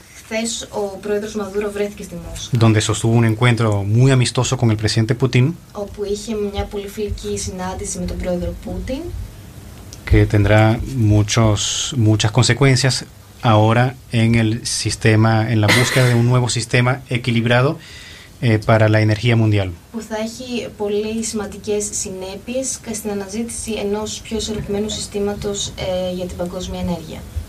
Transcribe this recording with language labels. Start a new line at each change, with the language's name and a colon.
Greek: Χθες ο πρόεδρος Μαδούρο βρέθηκε στη Μόσχα.
Spanish: Donde sostuvo un encuentro muy amistoso con el presidente Putin.
Greek: Όπου είχε μια πολύ φιλική συνάντηση με τον πρόεδρο Πούτιν.
Spanish: Que tendrá muchas consecuencias ahora en el sistema, en la búsqueda de un nuevo sistema equilibrado para la energía mundial.
Greek: Που θα έχει πολύ σημαντικές συνέπειες στην αναζήτηση ενός πιο ισορροπημένου συστήματος για την παγκόσμια ενέργεια.